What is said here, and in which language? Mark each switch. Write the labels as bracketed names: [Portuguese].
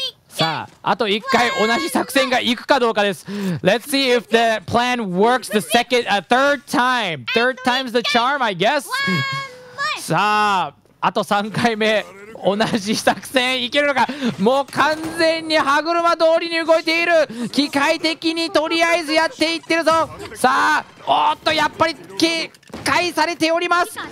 [Japanese] さあ、あと1回同じ作戦がいくかどうかです。 [English] Let's see if the plan works the second, third time. Third time's the charm, I guess. [Japanese] さあ、あと3回目、同じ作戦いけるのか。もう完全に歯車通りに動いている。機械的にとりあえずやっていってるぞ。さあ、おっと、やっぱり警戒されております。